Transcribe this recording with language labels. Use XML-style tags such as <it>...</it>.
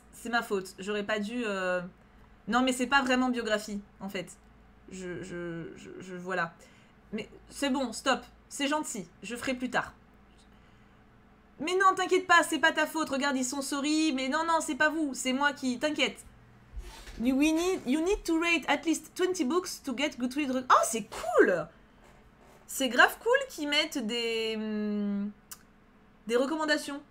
<fr>C'est ma faute, j'aurais pas dû... Non mais c'est pas vraiment biographie en fait. Je voilà. Mais c'est bon, stop. C'est gentil, je ferai plus tard. Mais non, t'inquiète pas, c'est pas ta faute. Regarde, ils sont sorry, mais non, non, c'est pas vous. C'est moi qui... T'inquiète.</fr> <en>You need to rate at least 20 books to get Goodreads.</en> <fr>Oh, c'est cool! C'est grave cool qu'ils mettent des recommandations.</fr>